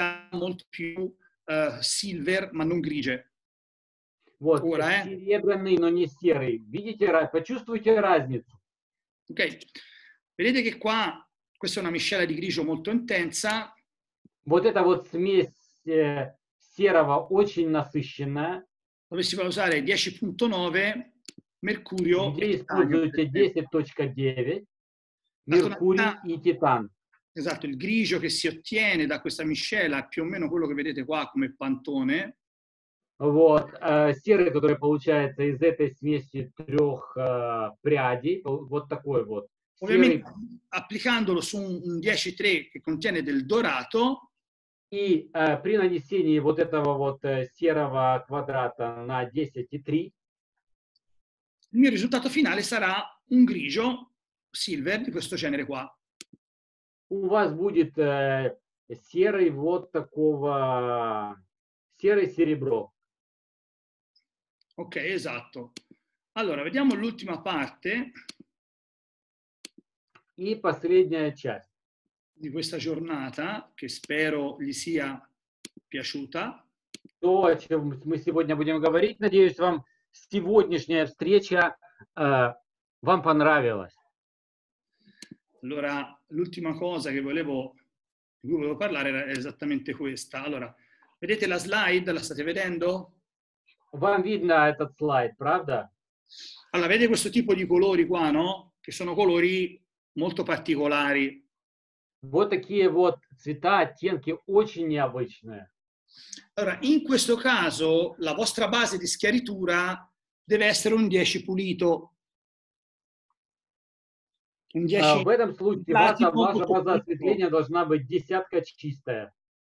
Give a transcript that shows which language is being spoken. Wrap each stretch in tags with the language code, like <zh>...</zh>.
<it>Molto più silver, ma non grigie.</it> <ru>Вот,</ru> <it>ora,</it> <ru>серебряный, но не серый. Видите, почувствуйте разницу. Ok.</ru> <it>Vedete che qua, questa è una miscela di grigio molto intensa.</it> <ru>Вот эта вот смесь серого очень насыщенная.</ru> <it>Dove si può usare 10.9 mercurio.</it> <ru>Где используете 10.9 mercurio и титан.</ru> <it>Esatto, il grigio che si ottiene da questa miscela è più o meno quello che vedete qua come Pantone.</it> <ru>Вот, серый, который получается из этой смеси трех прядей, вот такой вот.</ru> <it>Ovviamente, applicandolo su un 10.3 che contiene del dorato.</it> <ru>И при нанесении вот этого вот серого квадрата на 10.3,</ru> <it>il mio risultato finale sarà un grigio silver di questo genere qua.</it> <ru>У вас будет серый вот такого, серый серебро.</ru> <it>Ok, esatto. Allora, vediamo l'ultima parte.</it> <ru>И последняя часть.</ru> <it>Di questa giornata, che spero gli sia piaciuta.</it> <ru>То, о чем мы сегодня будем говорить, надеюсь, вам сегодняшняя встреча вам понравилась.</ru> <it>Allora, l'ultima cosa che volevo parlare era esattamente questa. Allora, vedete la slide? La state vedendo?</it> <ru>Вам видно этот слайд, правда?</ru> <it>Allora, vedete questo tipo di colori qua, no? Che sono colori molto particolari.</it> <ru>Вот такие вот цвета, оттенки очень необычные.</ru> <it>Allora, in questo caso, la vostra base di schiaritura deve essere un 10 pulito.</it> <ru>В этом случае ваша база осветления должна быть десятка чистая.</ru>